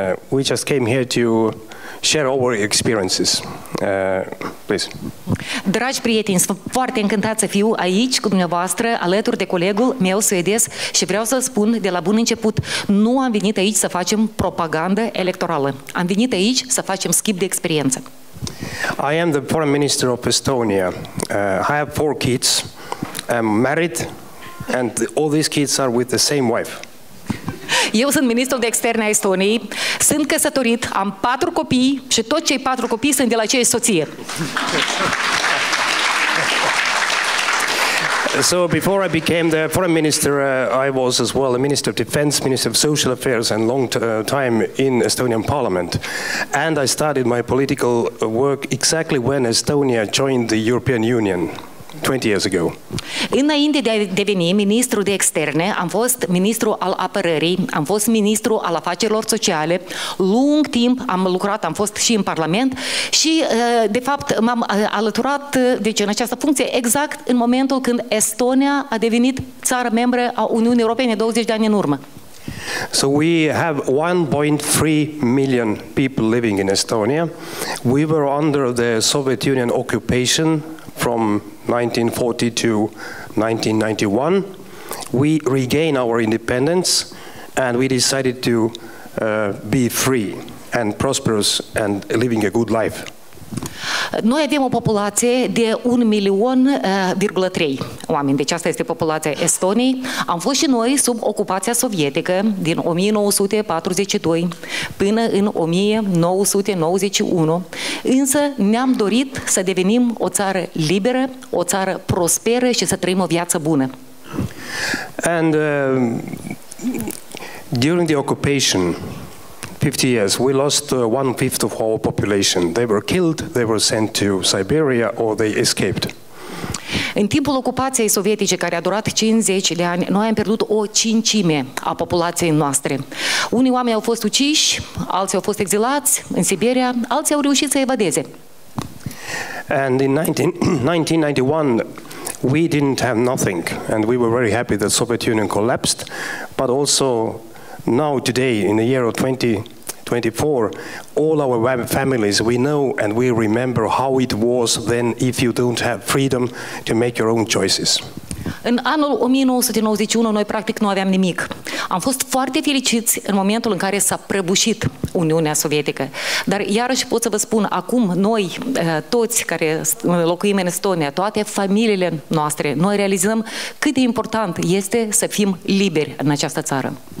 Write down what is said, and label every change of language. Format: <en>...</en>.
<en>We just came here to share our experiences. Please.</en> <ro>Dragi prieteni, sunt foarte încântat să fiu aici cu dumneavoastră, alături de colegul meu suedez și vreau să spun de la bun început, nu am venit aici să facem propagandă electorală. Am venit aici să facem schimb de experiență.</ro> <en>I am the foreign minister of Estonia. I have 4 kids. I'm married and all these kids are with the same wife.</en> <ro>Eu sunt ministrul de externe a Estoniei, sunt căsătorit, am 4 copii și toți cei 4 copii sunt de la aceeași soție.</ro> <en>So before I became the foreign minister, I was as well a minister of defense, minister of social affairs and long time in Estonian parliament. And I started my political work exactly when Estonia joined the European Union. 20 years ago.</en> <ro>Înainte de a deveni ministru de externe, am fost ministru al apărării, am fost ministru al afacerilor sociale, lung timp am lucrat, am fost și în Parlament și, de fapt, m-am alăturat deci, în această funcție exact în momentul când Estonia a devenit țară membră a Uniunii Europene 20 de ani în urmă.</ro> <en>So we have 1.3 million people living in Estonia. We were under the Soviet Union occupation from 1940 to 1991. We regain our independence and we decided to be free and prosperous and living a good life.</en> <ro>Noi avem o populație de 1,3 milion oameni, deci asta este populația Estoniei. Am fost și noi sub ocupația sovietică din 1942 până în 1991, însă ne-am dorit să devenim o țară liberă, o țară prosperă și să trăim o viață bună.</ro> <en>And during the occupation, 50 years, we lost one fifth of our population. They were killed, they were sent to Siberia, or they escaped.</en> <ro>În timpul ocupației sovietice, care a durat 50 de ani, noi am pierdut o cincime a populației noastre. Unii oameni au fost uciși, alții au fost exilați în Siberia, alții au reușit să evadeze.</ro> <en>And in 1991, we didn't have nothing, and we were very happy that Soviet Union collapsed, but also now, today, in the year of 2024, all our families, we know and we remember how it was then if you don't have freedom to make your own choices.</en> <ro>În anul 1991, noi practic nu aveam nimic. Am fost foarte fericiți în momentul în care s-a prăbușit Uniunea Sovietică. Dar iarăși pot să vă spun, acum noi, toți care locuim în Estonia, toate familiile noastre, noi realizăm cât de important este să fim liberi în această țară.</ro>